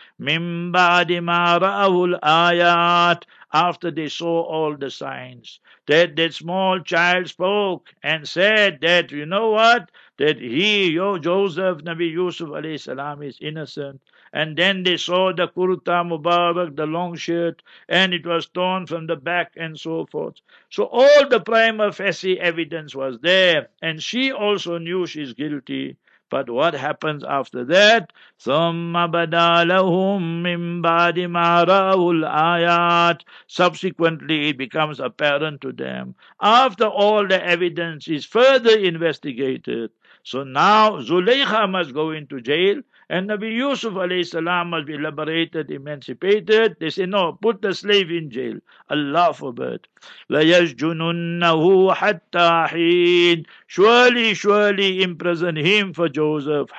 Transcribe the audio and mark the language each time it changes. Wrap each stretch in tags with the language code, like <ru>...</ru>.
<ar>Min ba'di ma ra'ul ayat,</ar> <en>after they saw all the signs, that that small child spoke and said that, you know what, that he, your Joseph, Nabi Yusuf alayhi salam, is innocent. And then they saw the kurta mubarak, the long shirt, and it was torn from the back and so forth. So all the prima facie evidence was there, and she also knew she's guilty. But what happens after that?</en> <ar>ثُمَّ بَدَى لَهُمْ مِنْ بَعْدِ مَا رَأَوُ الْآيَاتِ,</ar> <en>subsequently it becomes apparent to them. After all the evidence is further investigated, so now Zulaykha must go into jail, and Nabi Yusuf alayhi salam must be liberated, emancipated. They say, no, put the slave in jail. Allah forbid.</en> <ar>لَيَجْجُنُنَّهُ حَتَّى حِينَ,</ar> <en>surely, surely imprison him for Joseph.</en>